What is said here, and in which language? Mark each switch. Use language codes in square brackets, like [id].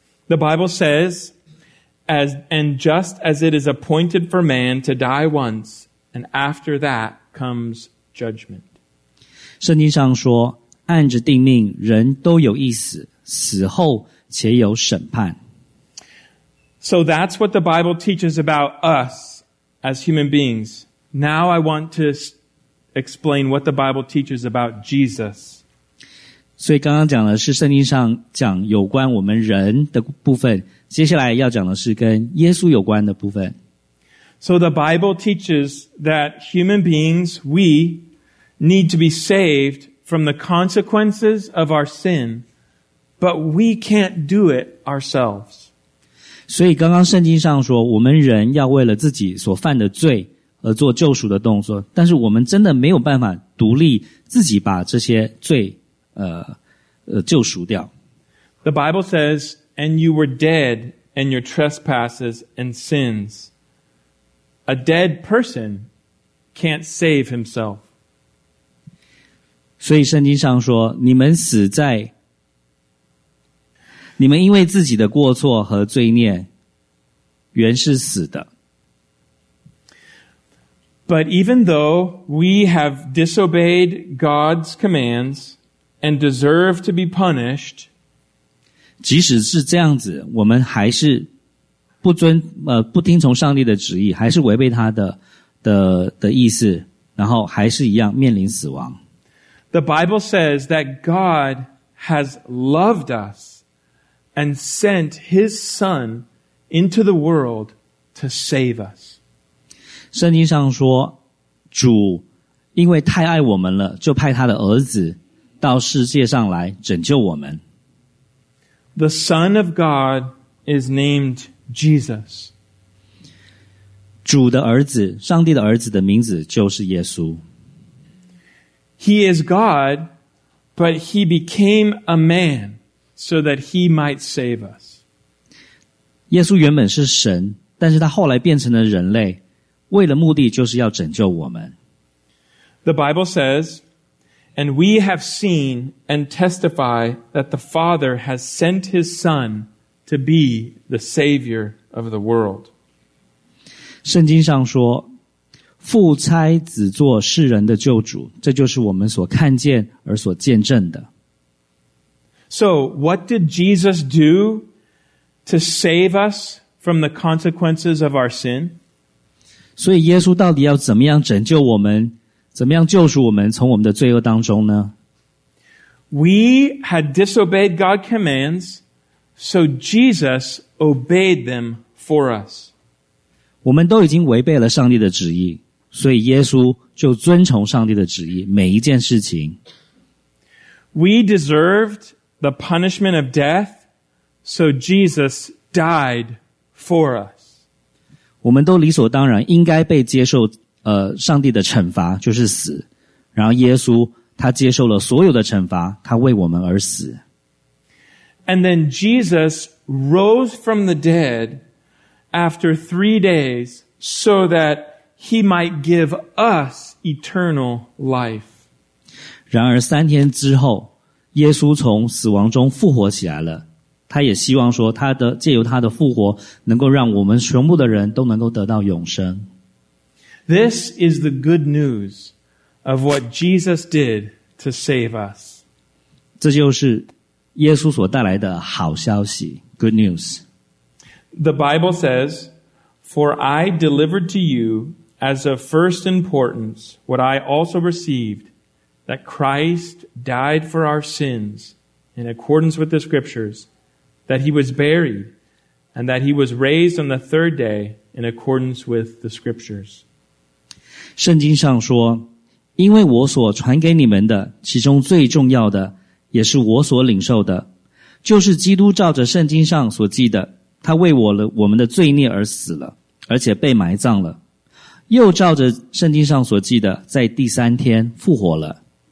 [en] The Bible says, and just as it is appointed for man to die once, and after that comes judgment. [zh] 圣经上说，按着定命，人都有一死，死后且有审判。 [en] So that's what the Bible teaches about us as human beings. Now I want to explain what the Bible teaches about Jesus. [zh] 所以刚刚讲的是圣经上讲有关我们人的部分，接下来要讲的是跟耶稣有关的部分。 [en] So the Bible teaches that human beings, we need to be saved from the consequences of our sin, but we can't do it ourselves. [zh] 所以刚刚圣经上说，我们人要为了自己所犯的罪而做救赎的动作，但是我们真的没有办法独立自己把这些罪救赎掉。 [en] The Bible says, and you were dead in your trespasses and sins. A dead person can't save himself. [zh] 所以圣经上说，你们因为自己的过错和罪孽原是死的。 [en] But even though we have disobeyed God's commands and deserve to be punished, [zh] 即使是这样子，我们还是不听从上帝的旨意，还是违背他的意思，然后还是一样面临死亡。 [en] The Bible says that God has loved us. And sent his son into the world to save us. [zh] 圣经上说，主因为太爱我们了，就派他的儿子到世界上来拯救我们。 [en] The Son of God is named Jesus. [zh] 主的儿子，上帝的儿子的名字就是耶稣。 [en] He is God, but he became a man. So that he might save us. [zh] 耶稣原本是神，但是他后来变成了人类，为了目的就是要拯救我们。 [en] The Bible says, and we have seen and testify that the Father has sent his Son to be the Savior of the world. [zh] 圣经上说，父差子做世人的救主，这就是我们所看见而所见证的。 [en] So, what did Jesus do to save us from the consequences of our sin? [zh] 所以耶稣到底要怎么样拯救我们，怎么样救赎我们从我们的罪恶当中呢？ [en] We had disobeyed God's commands, so Jesus obeyed them for us. [zh] 我们都已经违背了上帝的旨意，所以耶稣就遵从上帝的旨意，每一件事情。 [en] We deserved... The punishment of death, so Jesus died for us. [zh] 我们都理所当然应该被接受上帝的惩罚，就是死。然后耶稣他接受了所有的惩罚，他为我们而死。 [en] And then Jesus rose from the dead after 3 days so that he might give us eternal life. [zh] 然而三天之后耶稣从死亡中复活起来了，他也希望说他的借由他的复活能够让我们全部的人都能够得到永生。 [en] This is the good news of what Jesus did to save us. [zh] 这就是耶稣所带来的好消息， [en] good news. The Bible says, For I delivered to you as of first importance what I also received,that Christ died for our sins in accordance with the scriptures, that he was buried, and that he was raised on the third day in accordance with the scriptures. [zh] 圣经上说，因为我所传给你们的，其中最重要的，也是我所领受的，就是基督照着圣经上所记的，他为我们的罪孽而死了，而且被埋葬了，又照着圣经上所记的，在第三天复活了。